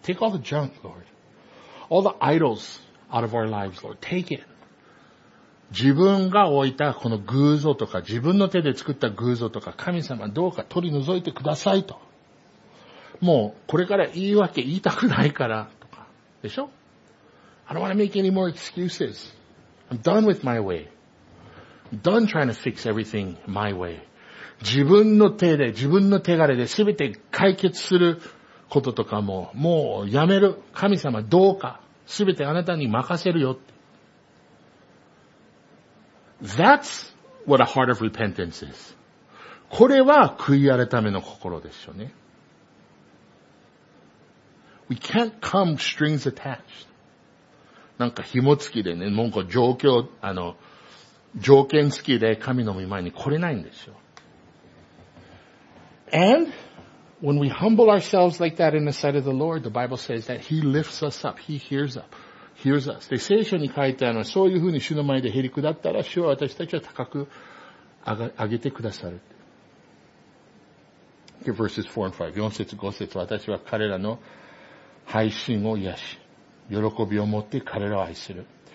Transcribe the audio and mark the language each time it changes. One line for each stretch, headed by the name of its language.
English: Take all the junk, Lord. All the idols out of our lives, Lord. Take it.
Japanese: 自分が置いたこの偶像とか、自分の手で作った偶像とか、神様どうか取り除いてくださいと。もう、これから言い訳言いたくないから、とか。でしょ?
English: I don't want to make any more excuses. I'm done with my way. I'm done trying to fix everything my way.
Japanese: 自分の手で、自分の手柄で全て解決することとかも、もうやめる。神様どうか、全てあなたに任せるよ。
English: That's what a heart of repentance is.
Japanese: これは悔い改めの心ですよね。
English: We can't come strings attached.
Japanese: なんか紐付きでね、もうこう状況、条件付きで神の御前に来れないんですよ。
English: And when we humble ourselves like that in the sight of the Lord, the Bible says that He lifts us up, He hears up, hears us.
Japanese: で、聖書に書いてあるのは、そういうふうに主の前でへり下ったら、主は私たちは高く上げてくださる。
English: Verses 4 and 5.
Japanese: 4節、5節、私は彼らの配信を癒し、喜びを持って彼らを愛する。